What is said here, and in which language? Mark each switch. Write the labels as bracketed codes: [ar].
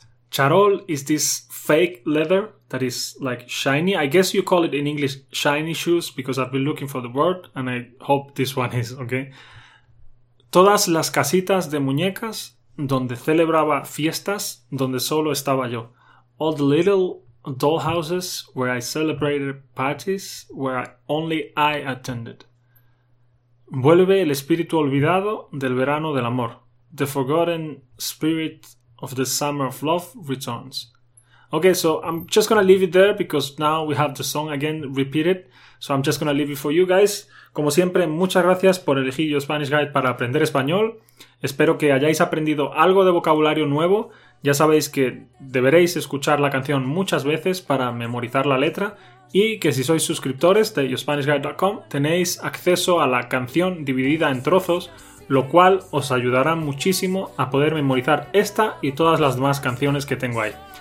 [en] Charol is this fake leather that is like shiny. I guess you call it in English shiny shoes because I've been looking for the word and I hope this one is, okay? [es] Todas las casitas de muñecas donde celebraba fiestas donde solo estaba yo. [en] All the little dollhouses where I celebrated parties where only I attended. [es] Vuelve el espíritu olvidado del verano del amor. [en] The forgotten spirit of the summer of love returns. Okay, so I'm just gonna leave it there because now we have the song again repeated. So I'm just gonna leave it for you guys. [es] Como siempre, muchas gracias por elegir Your Spanish Guide para aprender español. Espero que hayáis aprendido algo de vocabulario nuevo. Ya sabéis que deberéis escuchar la canción muchas veces para memorizar la letra y que si sois suscriptores de YourSpanishGuide.com tenéis acceso a la canción dividida en trozos, lo cual os ayudará muchísimo a poder memorizar esta y todas las demás canciones que tengo ahí.